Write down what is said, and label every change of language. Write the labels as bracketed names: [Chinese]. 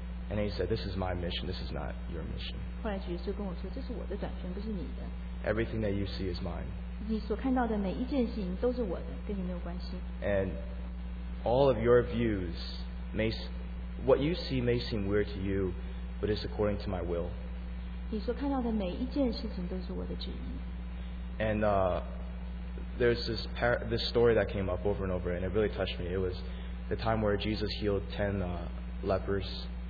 [English] And he said, this is my mission, this is not your mission. [Chinese] 后来主耶稣跟我说，这是我的转宣，不是你的。 [English] Everything that you see is mine. [Chinese] 你所看到的每一件事情都是我的，跟你没有关系。 [English] And all of your views, what you see may seem weird to you, but it's according to my will. [Chinese] 你所看到的每一件事情都是我的旨意。 [English] And there's this story that came up over and over, and it really touched me. It was the time where Jesus healed 10 lepers.